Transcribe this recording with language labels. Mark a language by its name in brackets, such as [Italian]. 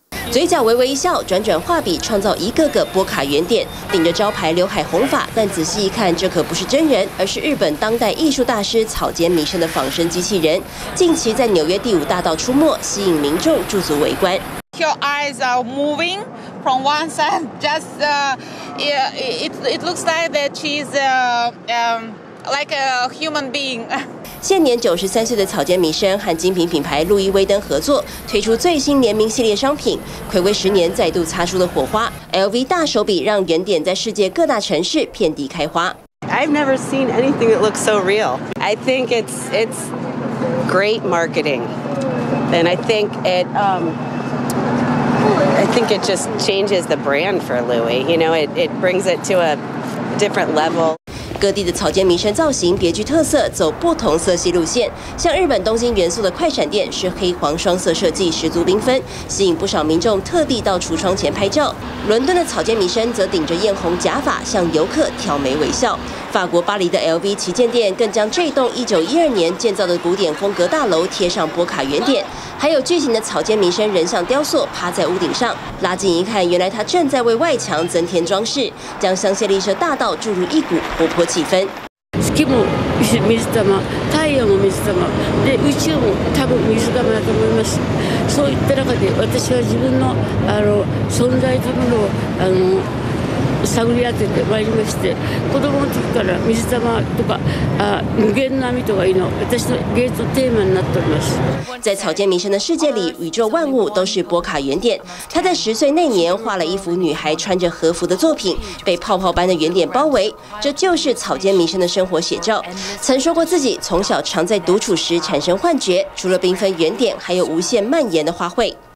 [Chinese] 嘴角微微一笑，转转画笔，创造一个个波卡原点。顶着招牌刘海红发，但仔细一看，这可不是真人，而是日本当代艺术大师草间弥生的仿生机器人。近期在纽约第五大道出没，吸引民众驻足围观。 [English] Your eyes are moving from one side. Just it looks like that she's like a human being. [Chinese] 现年93岁的草间弥生和精品品牌路易威登合作，推出最新联名系列商品。暌违10年再度擦出了火花。LV 大手笔让原点在世界各大城市遍地开花。 [English] I've never seen anything that looks so real. I think it's great marketing, and I think it. I think it just changes the brand for Louis. You know, it brings it to a different level. [Chinese] 各地的草间弥生造型别具特色，走不同色系路线。像日本东京元素的快闪店是黑黄双色设计，十足缤纷，吸引不少民众特地到橱窗前拍照。伦敦的草间弥生则顶着艳红假发，向游客挑眉微笑。法国巴黎的 LV 旗舰店更将这栋1912年建造的古典风格大楼贴上波卡原点。还有巨型的草间弥生人像雕塑趴在屋顶上，拉近一看，原来他正在为外墙增添装饰，将香榭丽舍大道注入一股活泼气氛。 [Japanese] 月も水玉、太陽も水玉、で宇宙も多分水玉だと思います。そういった中で私は自分の存在というものを探り当ててまいりまして、子供の時から水玉とか無限の波とかいうの私の芸術テーマになっております。 [Chinese] 在草间弥生的世界里，宇宙万物都是波卡原点。他在10岁那年画了一幅女孩穿着和服的作品，被泡泡般的原点包围，这就是草间弥生的生活写照。曾说过自己从小常在独处时产生幻觉，除了缤纷原点，还有无限蔓延的花卉。